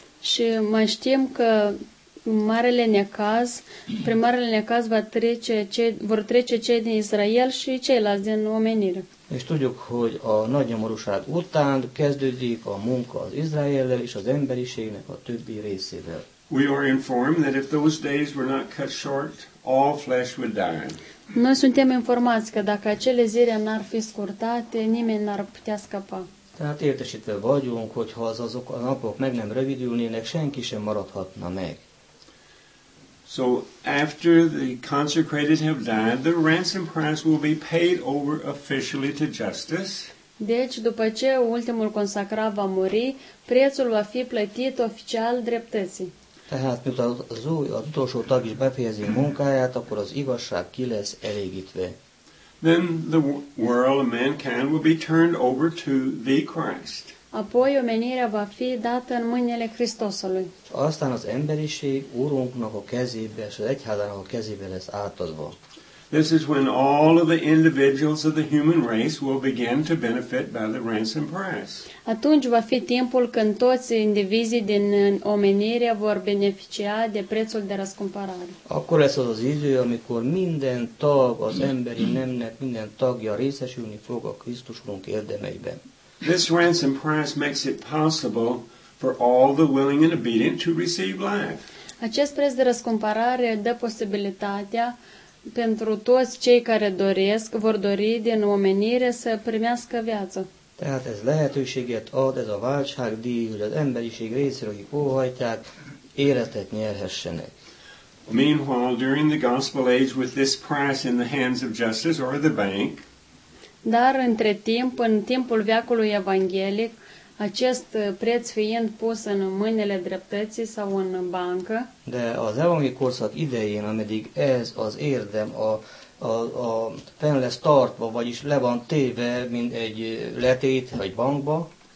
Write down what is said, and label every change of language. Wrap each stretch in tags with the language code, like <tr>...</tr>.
<ro>Și mai știm că marele necaz, prin marele necaz vor trece cei din Israel și ceilalți din omenire.</ro> <hu>És tudjuk, hogy a nagy nyomorúság után kezdődik a munka az Izraellel és az emberiségnek a többi részével.</hu> <en>We are informed that if those days were not cut short, all flesh would die.</en> <ro>Noi suntem informați că dacă acele zile n-ar fi scurtate, nimeni n-ar putea scăpa.</ro> <hu>Tehát értesítve vagyunk, hogy ha azok a napok meg nem rövidülnének, senki sem maradhatna meg.</hu> <en>So after the consecrated have died, the ransom price will be paid over officially to justice.</en> <ro>Deci după ce ultimul consacrat va muri, prețul va fi plătit oficial dreptății.</ro> <hu>Tehát miután az utolsó tag is befejezi munkáját, akkor az igazság ki lesz elégítve.</hu> <en>Then the world and mankind will be turned over to the Christ.</en> <ro>Apoi omenirea va fi dată în mâinile Hristosului.</ro> <hu>Aztán az emberiség Urunknak a kezébe, és az egyházának a kezébe lesz átadva.</hu> <en>This is when all of the individuals of the human race will begin to benefit by the ransom price.</en> <ro>Atunci va fi timpul când toți indivizii din omenire vor beneficia de prețul de răscumpărare.</ro> <hu>Akkor lesz az idő, amikor minden tag az emberi nemnek, minden tagja részesülni fog a Krisztusunk érdemeiben.</hu> <en>This ransom price makes it possible for all the willing and obedient to receive life.</en> <ro>Acest preț de răscumpărare dă posibilitatea pentru toți cei care doresc, vor dori din omenire să primească viață.</ro> <hu>Tehát ez lehetőséget ad, ez a váltságdíj, hogy az emberiség részéről, akik óhajtják, életet nyerhessenek.</hu> <en>Meanwhile, during the gospel age, with this price in the hands of justice or the bank,</en> <ro>dar între timp, în timpul veacului evanghelic, acest preț fiind pus în mâinile dreptății sau în bancă.</ro> <hu>De az evanghelic korszak idején, ameddig ez az érdem a fenn lesz tartva, vagyis le van téve, mint egy letét, vagy bankba.</hu>